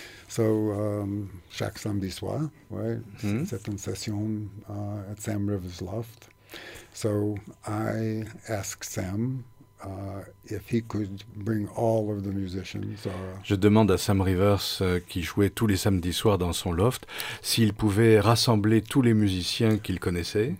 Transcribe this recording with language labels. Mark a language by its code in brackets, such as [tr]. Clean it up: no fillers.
[fr] So chaque samedi soir, right, c'est une session at Sam Rivers' loft. [en] So I asked Sam if he could bring all of the musicians. [fr] Je demande à Sam Rivers qui jouait tous les samedis soirs dans son loft s'il pouvait rassembler tous les musiciens qu'il connaissait.